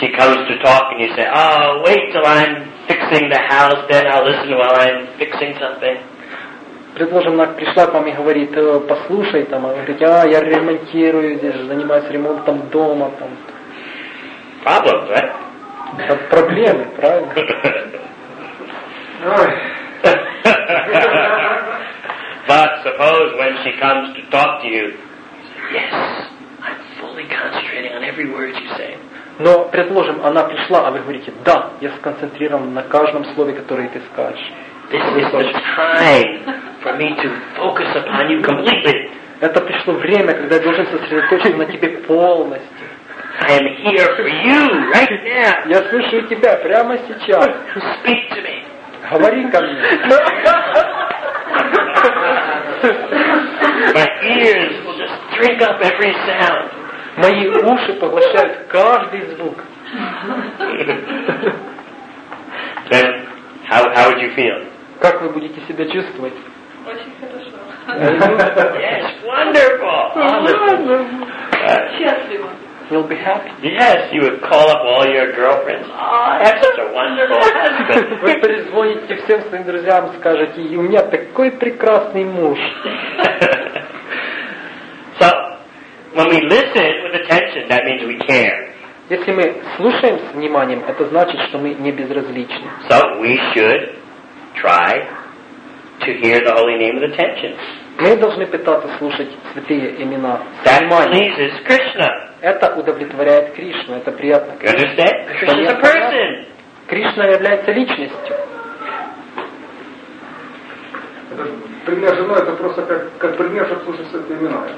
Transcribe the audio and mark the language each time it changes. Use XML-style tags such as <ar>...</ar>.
<en>She comes to talk and you say, oh, wait till I'm fixing the house, then I'll listen while I'm fixing something.</en> <ru>Предположим, она пришла к вам и говорит, послушай, там, она говорит, а, я ремонтирую здесь, занимаюсь ремонтом дома, там.</ru> <en>Problems, right?</en> <ru>Это проблемы, правильно?</ru> <en>suppose when she comes to talk to you, yes, I'm fully concentrating on every word you say.</en> <ru>Но, предположим, она пришла, а вы говорите, да, я сконцентрирован на каждом слове, которое ты скажешь.</ru> <en>This is the time for me to focus upon you completely.</en> <ru>Это пришло время, когда я должен сосредоточиться на тебе полностью.</ru> <en>I am here for you right now.</en> <ru>Я слышу тебя прямо сейчас.</ru> <en>Speak to me.</en> <ru>Говори ко мне.</ru> <en>My ears will just drink up every sound.</en> <ru>Мои уши поглощают каждый звук.</ru> <en>Then, how would you feel?</en> <ru>Как вы будете себя чувствовать? Очень хорошо.</ru> <en>Yes, wonderful.</en> <ru>Счастливо.</ru> <en>You'll be happy. Yes, you would call up all your girlfriends. Oh, I have such a wonderful husband.</en> <ru>Вы перезвоните всем своим друзьям, скажете, у меня такой прекрасный муж.</ru> <en>So, when we listen with attention, that means we care.</en> <ru>Если мы слушаем с вниманием, это значит, что мы не безразличны.</ru> <en>So, we should try to hear the holy name with attention.</en> <ru>Мы должны пытаться слушать святые имена.</ru> <en>That pleases Krishna.</en> <ru>Это удовлетворяет Кришну, это приятно.</ru> <en>You understand? Krishna is a person.</en> <ru>Кришна является личностью. Пример жена это просто как пример, чтобы слушать святые имена.</ru>